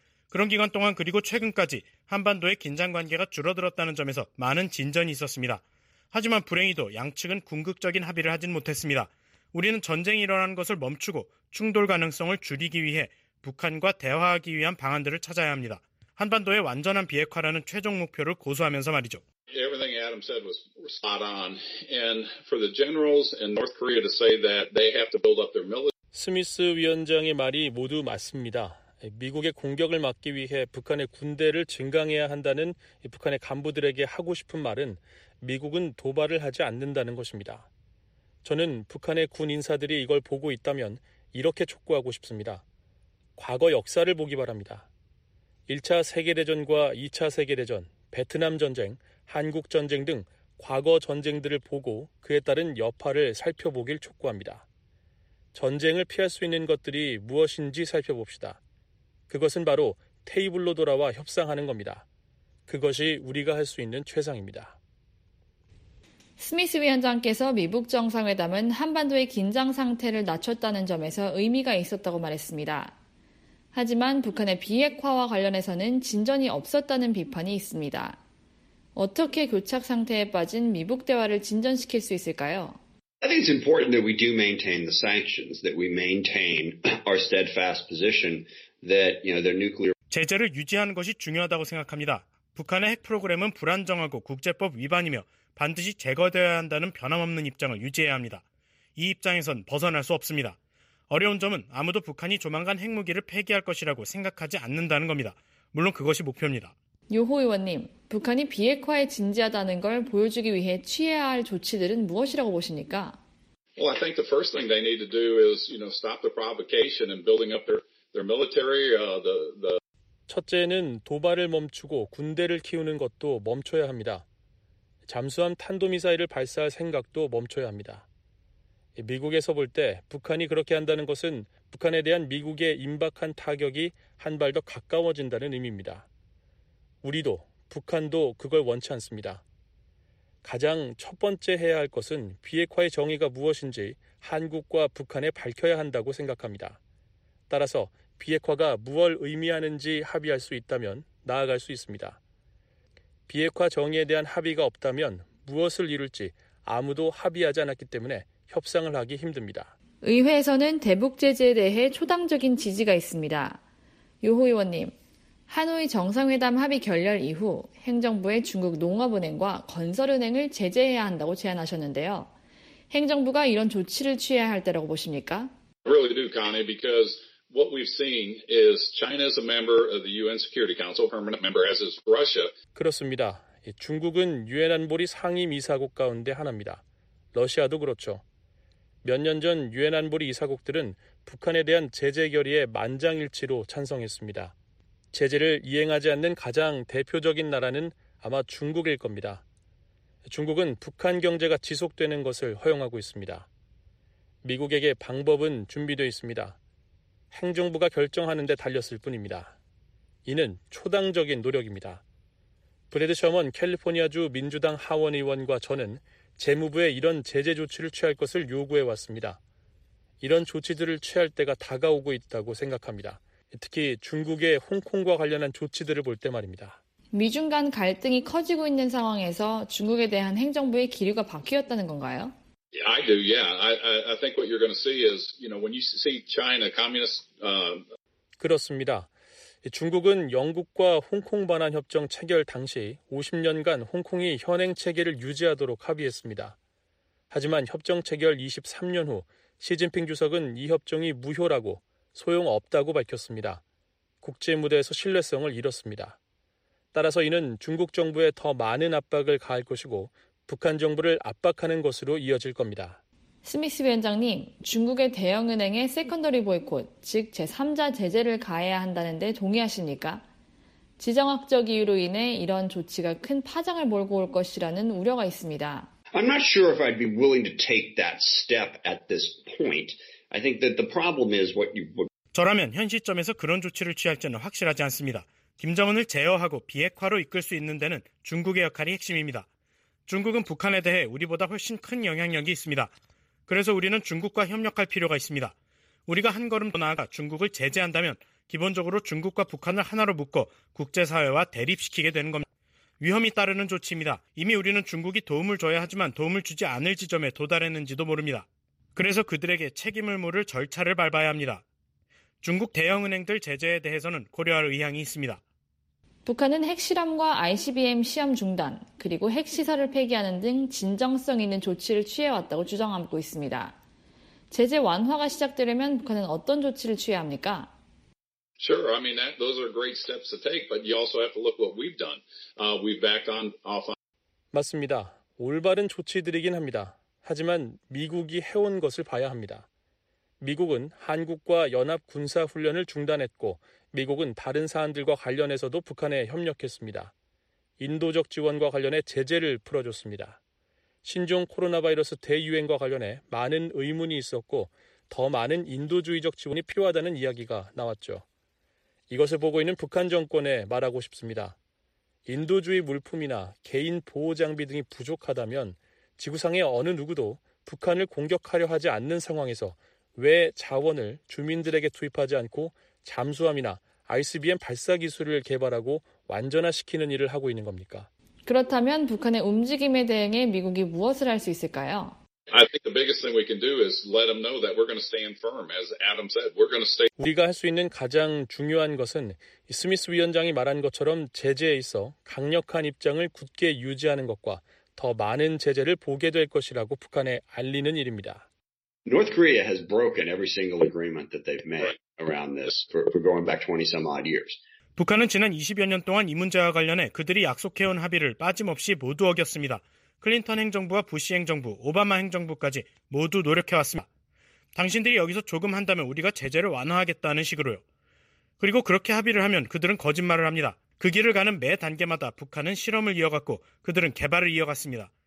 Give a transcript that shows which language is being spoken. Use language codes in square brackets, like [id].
[ko] 그런 기간 동안 그리고 최근까지 한반도의 긴장 관계가 줄어들었다는 점에서 많은 진전이 있었습니다. 하지만 불행히도 양측은 궁극적인 합의를 하진 못했습니다. 우리는 전쟁이 일어난 것을 멈추고 충돌 가능성을 줄이기 위해 북한과 대화하기 위한 방안들을 찾아야 합니다. 한반도의 완전한 비핵화라는 최종 목표를 고수하면서 말이죠. [en] Everything Adam said was spot on. And for the generals in North Korea to say that they have to build up their military. [ko] 스미스 위원장의 말이 모두 맞습니다. 미국의 공격을 막기 위해 북한의 군대를 증강해야 한다는 북한의 간부들에게 하고 싶은 말은 미국은 도발을 하지 않는다는 것입니다. 저는 북한의 군 인사들이 이걸 보고 있다면 이렇게 촉구하고 싶습니다. 과거 역사를 보기 바랍니다. 1차 세계대전과 2차 세계대전, 베트남 전쟁, 한국 전쟁 등 과거 전쟁들을 보고 그에 따른 여파를 살펴보길 촉구합니다. 전쟁을 피할 수 있는 것들이 무엇인지 살펴봅시다. 그것은 바로 테이블로 돌아와 협상하는 겁니다. 그것이 우리가 할 수 있는 최상입니다. 스미스 위원장께서 미북 정상회담은 한반도의 긴장 상태를 낮췄다는 점에서 의미가 있었다고 말했습니다. 하지만 북한의 비핵화와 관련해서는 진전이 없었다는 비판이 있습니다. 어떻게 교착 상태에 빠진 미북 대화를 진전시킬 수 있을까요? [en] I think it's important that we do maintain the sanctions, that we maintain our steadfast position that, you know, their nuclear [ko] 제재를 유지하는 것이 중요하다고 생각합니다. 북한의 핵 프로그램은 불안정하고 국제법 위반이며 반드시 제거되어야 한다는 변함없는 입장을 유지해야 합니다. 이 입장에선 벗어날 수 없습니다. 어려운 점은 아무도 북한이 조만간 핵무기를 폐기할 것이라고 생각하지 않는다는 겁니다. 물론 그것이 목표입니다. 요호 의원님, 북한이 비핵화에 진지하다는 걸 보여주기 위해 취해야 할 조치들은 무엇이라고 보십니까? [en] Well, I think the first thing they need to do is, you know, stop the provocation and building up their military. [ko] 첫째는 도발을 멈추고 군대를 키우는 것도 멈춰야 합니다. 잠수함 탄도미사일을 발사할 생각도 멈춰야 합니다. 미국에서 볼 때 북한이 그렇게 한다는 것은 북한에 대한 미국의 임박한 타격이 한 발 더 가까워진다는 의미입니다. 우리도 북한도 그걸 원치 않습니다. 가장 첫 번째 해야 할 것은 비핵화의 정의가 무엇인지 한국과 북한에 밝혀야 한다고 생각합니다. 따라서 비핵화가 무엇을 의미하는지 합의할 수 있다면 나아갈 수 있습니다. 비핵화 정의에 대한 합의가 없다면 무엇을 이룰지 아무도 합의하지 않았기 때문에 협상을 하기 힘듭니다. 의회에서는 대북 제재에 대해 초당적인 지지가 있습니다. 요호 의원님, 하노이 정상회담 합의 결렬 이후 행정부의 중국 농업은행과 건설은행을 제재해야 한다고 제안하셨는데요. 행정부가 이런 조치를 취해야 할 때라고 보십니까? [en] Really do, Connie, because what we've seen is China is a member of the UN Security Council, permanent member, as is Russia. [ko] 그렇습니다. 중국은 유엔 안보리 상임 이사국 가운데 하나입니다. 러시아도 그렇죠. 몇 년 전 유엔 안보리 이사국들은 북한에 대한 제재 결의에 만장일치로 찬성했습니다. 제재를 이행하지 않는 가장 대표적인 나라는 아마 중국일 겁니다. 중국은 북한 경제가 지속되는 것을 허용하고 있습니다. 미국에게 방법은 준비되어 있습니다. 행정부가 결정하는 데 달렸을 뿐입니다. 이는 초당적인 노력입니다. 브래드 셔먼 캘리포니아주 민주당 하원의원과 저는 재무부에 이런 제재 조치를 취할 것을 요구해 왔습니다. 이런 조치들을 취할 때가 다가오고 있다고 생각합니다. 특히 중국의 홍콩과 관련한 조치들을 볼 때 말입니다. 미중 간 갈등이 커지고 있는 상황에서 중국에 대한 행정부의 기류가 바뀌었다는 건가요? [en] Yeah, I do. Yeah, I think what you're going to see is, you know, when you see China, communist. [ko] 그렇습니다. 중국은 영국과 홍콩 반환 협정 체결 당시 50년간 홍콩이 현행 체계를 유지하도록 합의했습니다. 하지만 협정 체결 23년 후 시진핑 주석은 이 협정이 무효라고 소용없다고 밝혔습니다. 국제무대에서 신뢰성을 잃었습니다. 따라서 이는 중국 정부에 더 많은 압박을 가할 것이고 북한 정부를 압박하는 것으로 이어질 겁니다. 스미스 위원장님, 중국의 대형은행의 세컨더리 보이콧, 즉 제3자 제재를 가해야 한다는 데 동의하십니까? 지정학적 이유로 인해 이런 조치가 큰 파장을 몰고 올 것이라는 우려가 있습니다. [en] I'm not sure if I'd be willing to take that step at this point. I think that the problem is what you... [ko] 저라면 현 시점에서 그런 조치를 취할지는 확실하지 않습니다. 김정은을 제어하고 비핵화로 이끌 수 있는 데는 중국의 역할이 핵심입니다. 중국은 북한에 대해 우리보다 훨씬 큰 영향력이 있습니다. 그래서 우리는 중국과 협력할 필요가 있습니다. 우리가 한 걸음 더 나아가 중국을 제재한다면 기본적으로 중국과 북한을 하나로 묶어 국제사회와 대립시키게 되는 겁니다. 위험이 따르는 조치입니다. 이미 우리는 중국이 도움을 줘야 하지만 도움을 주지 않을 지점에 도달했는지도 모릅니다. 그래서 그들에게 책임을 물을 절차를 밟아야 합니다. 중국 대형은행들 제재에 대해서는 고려할 의향이 있습니다. 북한은 핵실험과 ICBM 시험 중단, 그리고 핵시설을 폐기하는 등 진정성 있는 조치를 취해왔다고 주장하고 있습니다. 제재 완화가 시작되려면 북한은 어떤 조치를 취해야 합니까? [en] Sure, I mean that, those are great steps to take, but you also have to look what we've done. We've backed on, off on... [ko] 맞습니다. 올바른 조치들이긴 합니다. 하지만 미국이 해온 것을 봐야 합니다. 미국은 한국과 연합군사훈련을 중단했고 미국은 다른 사안들과 관련해서도 북한에 협력했습니다. 인도적 지원과 관련해 제재를 풀어줬습니다. 신종 코로나 바이러스 대유행과 관련해 많은 의문이 있었고 더 많은 인도주의적 지원이 필요하다는 이야기가 나왔죠. 이것을 보고 있는 북한 정권에 말하고 싶습니다. 인도주의 물품이나 개인 보호 장비 등이 부족하다면 지구상의 어느 누구도 북한을 공격하려 하지 않는 상황에서 왜 자원을 주민들에게 투입하지 않고 잠수함이나 ICBM 발사 기술을 개발하고 완전화시키는 일을 하고 있는 겁니까? 그렇다면 북한의 움직임에 대응해 미국이 무엇을 할 수 있을까요? [en] I think the biggest thing we can do is let them know that we're going to stand firm. As Adam said, we're going to stay. [ko] 우리가 할 수 있는 가장 중요한 것은 스미스 위원장이 말한 것처럼 제재에 있어 강력한 입장을 굳게 유지하는 것과 더 많은 제재를 보게 될 것이라고 북한에 알리는 일입니다. [en] North Korea has broken every single agreement that they've made around this for going back 20 some odd years. [ko] 북한은 지난 20여 년 동안 이 문제와 관련해 그들이 약속해온 합의를 빠짐없이 모두 어겼습니다. 클린턴 행정부와 부시 행정부, 오바마 행정부까지 모두 노력해왔습니다. 당신들이 여기서 조금 한다면 우리가 제재를 완화하겠다는 식으로요. 그리고 그렇게 합의를 하면 그들은 거짓말을 합니다. 그 길을 가는 매 단계마다 북한은 실험을 이어갔고 그들은 개발을 이어갔습니다.